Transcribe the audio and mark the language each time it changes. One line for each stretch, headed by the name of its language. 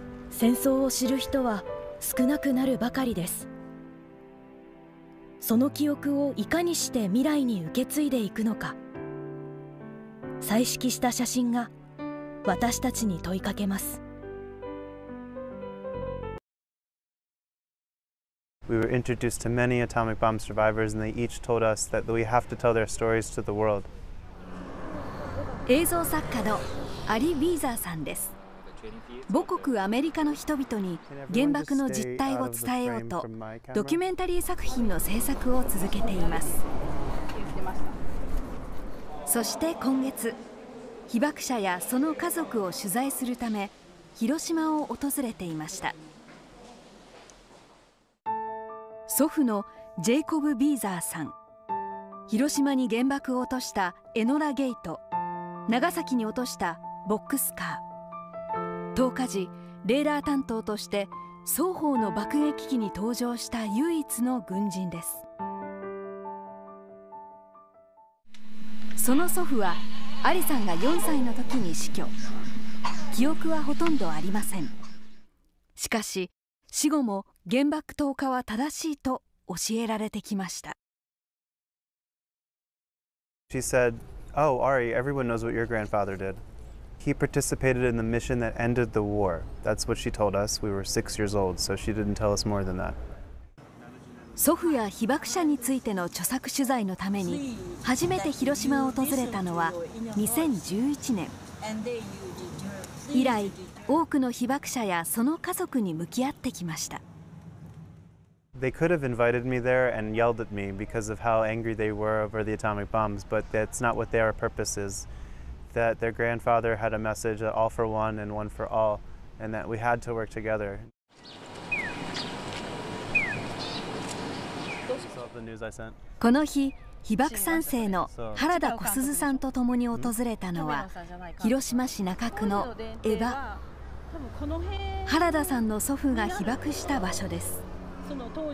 Japanese: 戦争を知る人は少なくなるばかりです。その記憶をいかにして未来に受け継いでいくのか、彩色した写真が私たちに問いかけます。
English: We were introduced to many atomic bomb survivors and they each told us that we have to tell their stories to the world.
Japanese: 映像作家のアリ・ビーザーさんです。母国アメリカの人々に原爆の実態を伝えようとドキュメンタリー作品の制作を続けています。そして今月、被爆者やその家族を取材するため広島を訪れていました。祖父のジェイコブ・ビーザーさん、広島に原爆を落としたエノラ・ゲイト、長崎に落としたボックスカー、投下時レーダー担当として双方の爆撃機に搭乗した唯一の軍人です。その祖父はアリさんが4歳の時に死去。記憶はほとんどありません。しかし死後も原爆投下は正しいと教えられてきました。
English: She said, Oh, Ari, everyone knows what your grandfather did. He participated in the mission that ended the war. That's what she told us. We were 6 years old, so she didn't tell us more than that.
Japanese: 祖父や被爆者についての著作取材のために初めて広島を訪れたのは2011年。以来、多くの被爆者やその家族に向き合ってきました。
English: They could have invited me there and yelled at me because of how angry they were over the atomic bombs, but that's not what their purpose is. That their grandfather had a message that all for one and one for all, and that we had to work together.
Japanese: この日、被爆三世の原田小鈴さんと共に訪れたのは、広島市中区の江場。原田さんの祖父が被爆した場所です。その当